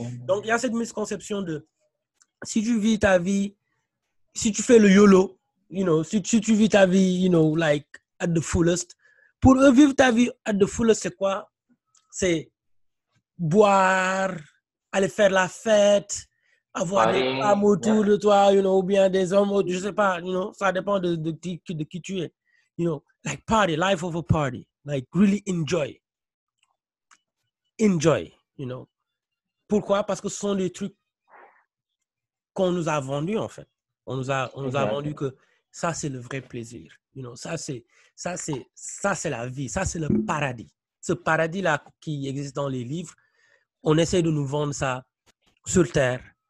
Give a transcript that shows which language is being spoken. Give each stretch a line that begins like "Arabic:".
French: Donc, il y a cette misconception de si tu vis ta vie, si tu fais le YOLO, si tu vis ta vie,
English: like at the fullest,
French: pour eux, vivre ta vie
English: at the fullest,
French: c'est quoi? C'est boire, aller faire la fête, avoir des femmes autour de toi, ou bien des hommes, je sais pas, ça dépend de qui tu es.
English: Like party, life of a party, like really enjoy. Enjoy,
French: Pourquoi? Parce que ce sont des trucs qu'on nous a vendus, en fait. On nous a vendu que ça, c'est le vrai plaisir. Ça, c'est la vie. Ça, c'est le paradis. Ce paradis-là qui existe dans les livres, on essaie de nous vendre ça sur Terre.